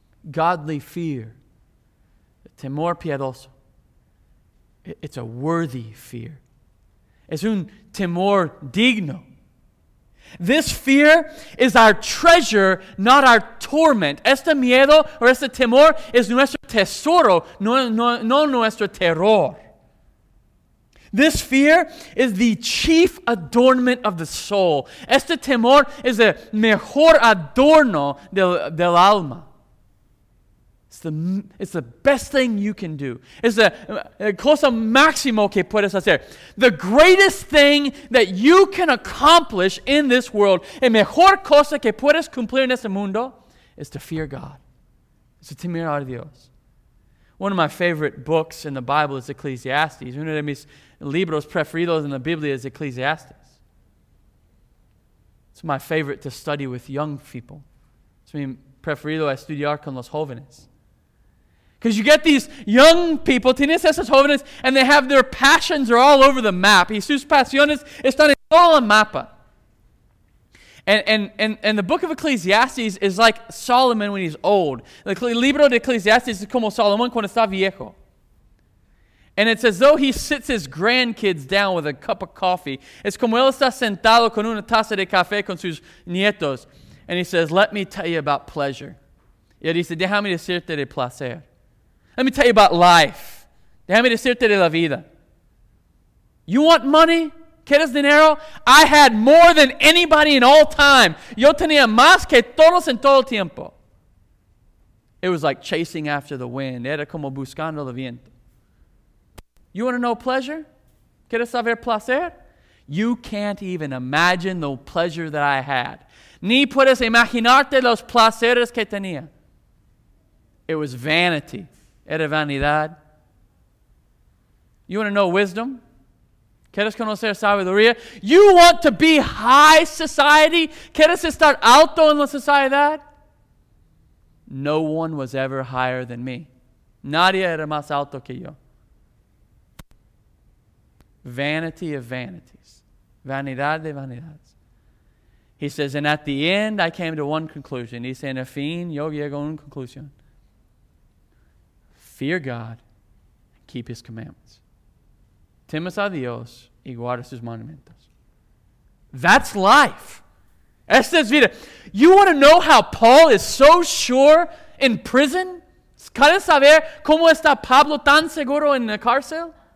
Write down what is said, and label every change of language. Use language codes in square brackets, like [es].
[en] Godly fear. [es] Temor piadoso. It's a worthy fear. Es un temor digno. [en] This fear is our treasure, not our torment. [es] Este miedo o este temor es nuestro tesoro, no nuestro terror. [en] This fear is the chief adornment of the soul. [es] Este temor es el mejor adorno del alma. [en] It's the best thing you can do. It's the [es] cosa máximo que puedes hacer. [en] The greatest thing that you can accomplish in this world, [es] el mejor cosa que puedes cumplir en este mundo, [en] is to fear God. [es] Es to temer a Dios. [en] One of my favorite books in the Bible is Ecclesiastes. [es] Uno de mis libros preferidos en la Biblia es Ecclesiastes. [en] It's my favorite to study with young people. [es] Es mi preferido a estudiar con los jóvenes. [en] Because you get these young people, [es] tienes esos jóvenes, [en] and they have their passions are all over the map. [es] Y sus pasiones están en todo el mapa. [en] And the book of Ecclesiastes is like Solomon when he's old. [es] El libro de Ecclesiastes es como Salomón cuando está viejo. [en] And it's as though he sits his grandkids down with a cup of coffee. [es] Es como él está sentado con una taza de café con sus nietos. [en] And he says, let me tell you about pleasure. [es] Y él dice, déjame decirte de placer. [en] Let me tell you about life. [es] Déjame decirte de la vida. [en] You want money? [es] ¿Quieres dinero? [en] I had more than anybody in all time. [es] Yo tenía más que todos en todo el tiempo. [en] It was like chasing after the wind. [es] Era como buscando el viento. [en] You want to know pleasure? [es] ¿Quieres saber placer? [en] You can't even imagine the pleasure that I had. [es] Ni puedes imaginarte los placeres que tenía. [en] It was vanity. [es] Era vanidad. [en] You want to know wisdom? [es] ¿Quieres conocer sabiduría? [en] You want to be high society? [es] ¿Quieres estar alto en la sociedad? [en] No one was ever higher than me. [es] Nadie era más alto que yo. [en] Vanity of vanities. [es] Vanidad de vanidades. [en] He says, and at the end, I came to one conclusion. He said, [es] en el fin, yo llego a una conclusión. [en] Fear God and keep His commandments. [es] Temas a Dios y guarda sus mandamientos. [en] That's life. [es] Esta es vida. [en] You want to know how Paul is so sure in prison? [es] ¿Quieres saber cómo está Pablo tan seguro en la cárcel?